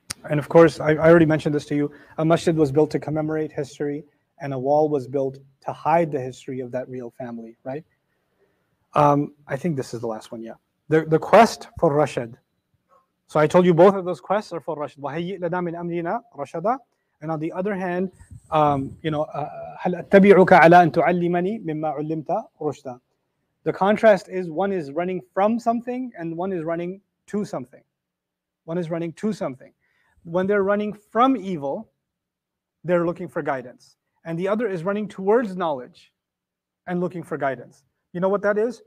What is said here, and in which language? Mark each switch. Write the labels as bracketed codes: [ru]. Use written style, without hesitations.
[en] And of course, I already mentioned this to you, a masjid was built to commemorate history, and a wall was built to hide the history of that real family, right? I think this is the last one, yeah. The quest for Rashad. So I told you both of those quests are for Rashad. [ar] وَهَيِّئْ لَنَا مِنْ أَمْرِنَا رَشَدًا. [en] And on the other hand, [ar] هَلْ أَتَّبِعُكَ عَلَىٰ أَن تُعَلِّمَنِي مِمَّا عُلِّمْتَ رُشْدًا. [en] The contrast is, one is running from something and one is running to something. One is running to something. When they're running from evil, they're looking for guidance. And the other is running towards knowledge and looking for guidance. You know what that is?